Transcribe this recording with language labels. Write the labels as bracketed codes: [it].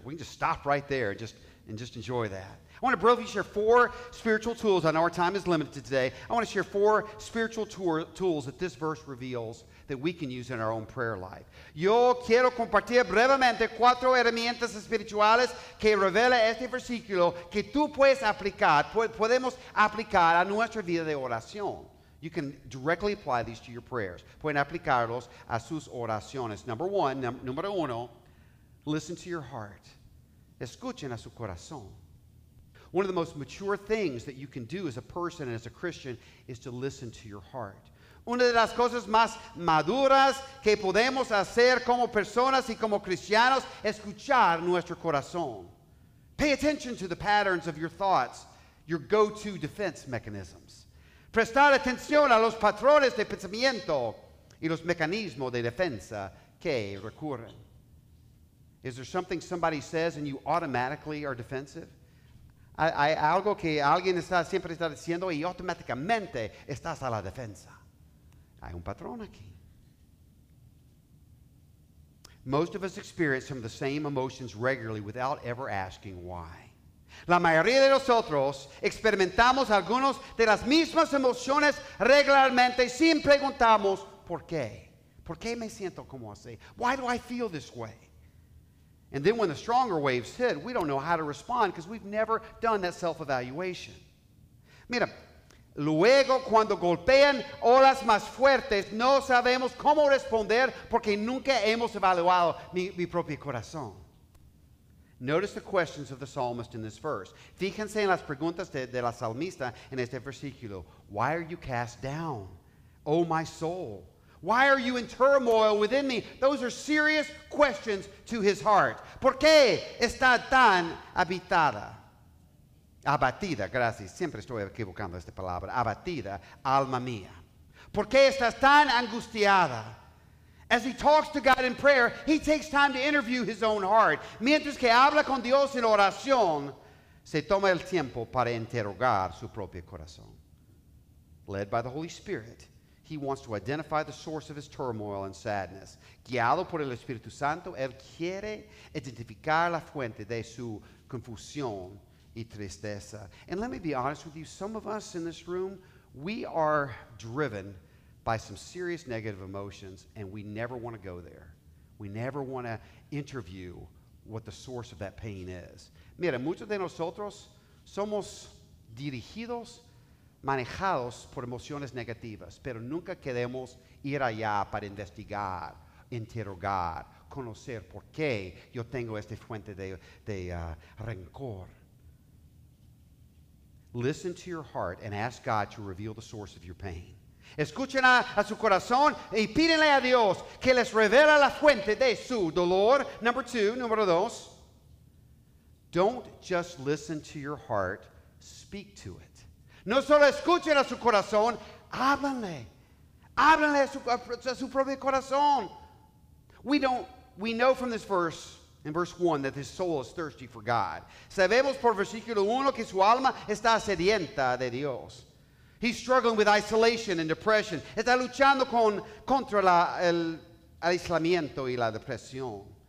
[en] We can just stop right there and just enjoy that. I want to briefly share four spiritual tools. I know our time is limited today. I want to share four spiritual tools that this verse reveals that we can use in our own prayer life. [es] Yo quiero compartir brevemente cuatro herramientas espirituales que revela este versículo que tú puedes aplicar, podemos aplicar a nuestra vida de oración. [en] You can directly apply these to your prayers. [es] Pueden aplicarlos a sus oraciones. [en] Number one, [es] número uno, [en] listen to your heart. [es] Escuchen a su corazón. [en] One of the most mature things that you can do as a person and as a Christian is to listen to your heart. [es] Una de las cosas más maduras que podemos hacer como personas y como cristianos es escuchar nuestro corazón. [en] Pay attention to the patterns of your thoughts, your go-to defense mechanisms. [es] Prestar atención a los patrones de pensamiento y los mecanismos de defensa que recurren. [en] Is there something somebody says and you automatically are defensive? [es] Hay algo que alguien siempre está diciendo y automáticamente estás a la defensa. Hay un patrón aquí. [en] Most of us experience some of the same emotions regularly without ever asking why. [es] La mayoría de nosotros experimentamos algunas de las mismas emociones regularmente sin preguntarnos por qué. ¿Por qué me siento como así? [en] Why do I feel this way? And then when the stronger waves hit, we don't know how to respond because we've never done that self-evaluation. [es] Mira, luego cuando golpean olas más fuertes, no sabemos cómo responder porque nunca hemos evaluado mi propio corazón. [en] Notice the questions of the psalmist in this verse. [es] Fíjense en las preguntas de la salmista en este versículo. [en] Why are you cast down, O my soul? Why are you in turmoil within me? Those are serious questions to his heart. [es] ¿Por qué está tan habitada? Abatida, gracias. Siempre estoy equivocando esta palabra. Abatida, alma mía. ¿Por qué estás tan angustiada? [en] As he talks to God in prayer, he takes time to interview his own heart. [es] Mientras que habla con Dios en oración, se toma el tiempo para interrogar su propio corazón. [en] Led by the Holy Spirit, he wants to identify the source of his turmoil and sadness. [es] Guiado por el Espíritu Santo, él quiere identificar la fuente de su confusión y tristeza. [en] And let me be honest with you, some of us in this room, we are driven by some serious negative emotions, and we never want to go there. We never want to interview what the source of that pain is. [es] Mira, muchos de nosotros somos dirigidos, manejados por emociones negativas, pero nunca queremos ir allá para investigar, interrogar, conocer por qué yo tengo esta fuente de rencor. [en] Listen to your heart and ask God to reveal the source of your pain. [es] Escuchen a su corazón y pídenle a Dios que les revele la fuente de su dolor. [en] Number two, [es] número dos, [en] Don't just listen to your heart, speak to it. [es] No solo escuchen a su corazón, háblenle. Háblenle a su propio corazón. [en] We know from this verse, in verse 1, that his soul is thirsty for God. [es] Sabemos por versículo 1 que su alma está sedienta de Dios. [en] He's struggling with isolation and depression. [es] Está luchando contra el aislamiento y la depresión.